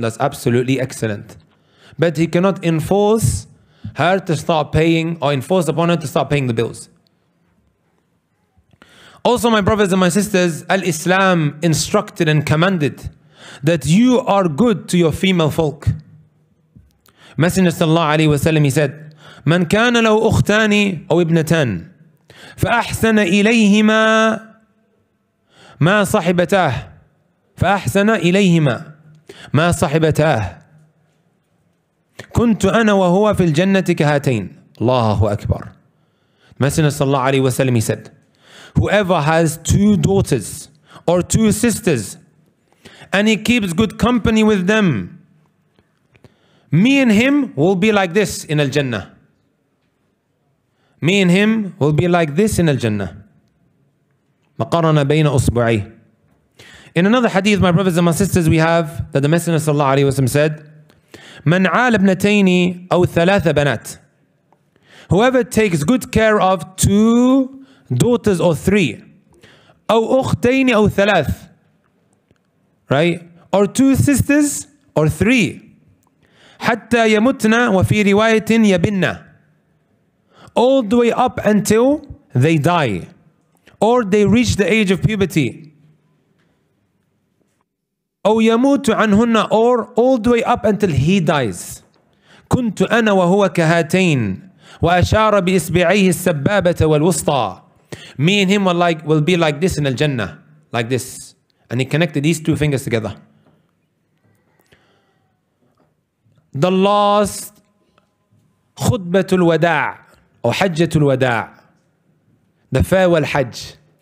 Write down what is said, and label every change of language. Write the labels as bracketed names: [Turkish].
[English] That's absolutely excellent. But he cannot enforce her to start paying, or enforce upon her to start paying the bills. Also, my brothers and my sisters, Al-Islam instructed and commanded that you are good to your female folk. [Arabic] Messenger sallallahu alayhi wa sallam, he said, من كان له أختان أو ابنتان فأحسن إليهما ما صحبتاه فأحسن إليهما ما صحبتاه كنت أنا وهو في الجنة كهاتين. الله أكبر. [English] Messenger صلى الله عليه وسلم, he said, whoever has two daughters or two sisters and he keeps good company with them, me and him will be like this in al-Jannah. Me and him will be like this in al-Jannah. [Arabic] مقارنة بين أصبعي. [English] In another hadith, my brothers and my sisters, we have that the Messenger صلى الله عليه وسلم said, من عال ابنتين أو ثلاث بنات Whoever takes good care of two daughters or three, أو أختين أو ثلاث, right? Or two sisters or three, حتى يمتنا وفي رواية يبنا, all the way up until they die or they reach the age of puberty, أو يموت عنهن, or all the way up until he dies. [Arabic] كنت أنا وهو كهاتين وأشار بإصبعيه السبابة والوسطى. [English] Me and him were like, will be like this in Al-Jannah, like this. And he connected these two fingers together. The last khutbatul wada' or hajjatul wada', the farewell hajj.